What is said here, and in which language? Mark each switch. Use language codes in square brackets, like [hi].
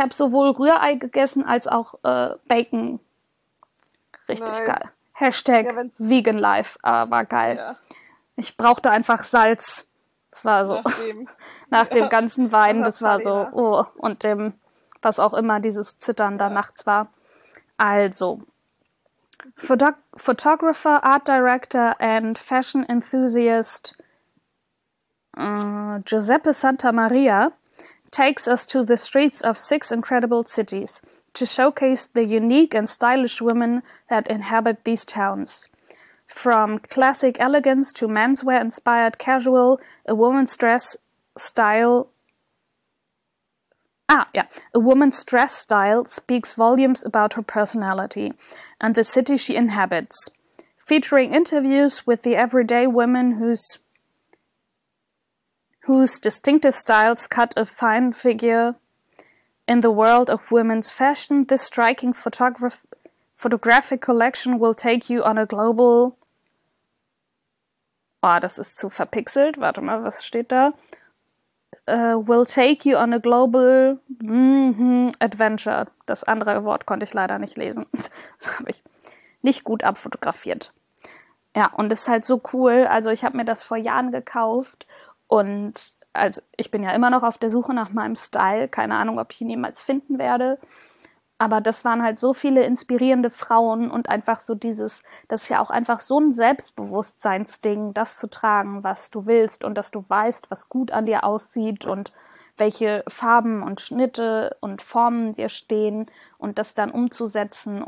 [de] habe sowohl Rührei gegessen als auch Bacon. Richtig [en] Nice. [de] geil. Hashtag Ja, wenn's. Vegan Life, war geil. Ja. Ich brauchte einfach Salz. Das war so. Nach dem Ja. ganzen Wein, Nach der das war Party, so. ne? Oh, und dem, was auch immer dieses Zittern da Ja. nachts war. Also. [en] Photographer, Art Director and Fashion Enthusiast Giuseppe Santa Maria takes us to the streets of six incredible cities to showcase the unique and stylish women that inhabit these towns. From classic elegance to menswear-inspired casual, a woman's dress style. Ah, yeah. A woman's dress style speaks volumes about her personality and the city she inhabits. Featuring interviews with the everyday women whose distinctive styles cut a fine figure in the world of women's fashion, this striking photographic collection will take you on a global. [de] Oh, das ist zu verpixelt. Warte mal, was steht da? [en] will take you on a global adventure. [de] Das andere Wort konnte ich leider nicht lesen. Habe ich nicht gut abfotografiert. Ja, und es ist halt so cool. Also ich habe mir das vor Jahren gekauft und also ich bin ja immer noch auf der Suche nach meinem Style. Keine Ahnung, ob ich ihn jemals finden werde. Aber das waren halt so viele inspirierende Frauen und einfach so dieses, das ist ja auch einfach so ein Selbstbewusstseinsding, das zu tragen, was du willst und dass du weißt, was gut an dir aussieht und welche Farben und Schnitte und Formen dir stehen und das dann umzusetzen.